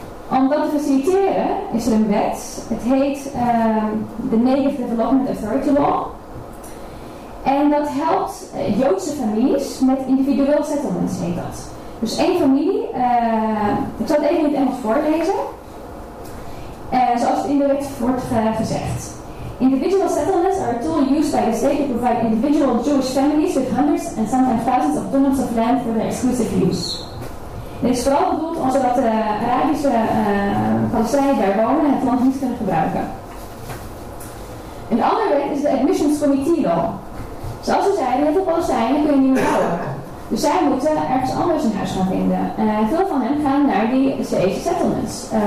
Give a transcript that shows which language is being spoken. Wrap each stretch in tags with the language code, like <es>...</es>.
<nl>Om dat te faciliteren is er een wet, het heet de Negev Development Authority Law. En dat helpt Joodse families met individueel settlements, heet dat. Dus één familie, ik zal het even in het Engels voorlezen, zoals het in de wet wordt gezegd.</nl> <en>Individual settlements are a tool used by the state to provide individual Jewish families with hundreds and sometimes thousands of tons of land for their exclusive use.</en> <nl>Dit is vooral bedoeld omdat de Arabische Palestijnen daar wonen en het land niet kunnen gebruiken. Een andere wet is de Admissions Committee Law. Zoals we zeiden, heel veel Palestijnen kunnen niet meer bouwen. Dus zij moeten ergens anders een huis gaan vinden. Veel van hen gaan naar die Israëlische settlements.</nl>